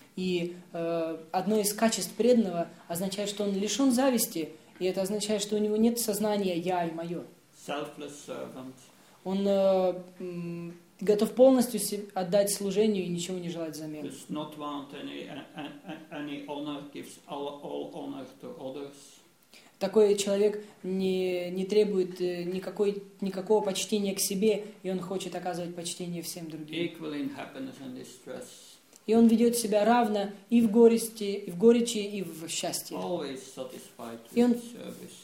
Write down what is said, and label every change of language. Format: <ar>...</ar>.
<ru>И одно из качеств преданного означает, что он лишен зависти, и это означает, что у него нет сознания я и мое.</ru> <en>Selfless servant.</en> <ru>Он готов полностью отдать служению и ничего не желать взамен.</ru> <en>Does not want any honor, gives all honor to others.</en> <ru>Такой человек не требует никакого почтения к себе, и он хочет оказывать почтение всем другим.</ru> <en>Equal in happiness and distress.</en> <ru>И он ведет себя равно и в горести, и в горечи, и в счастье.</ru> <en>Always satisfied with service.</en>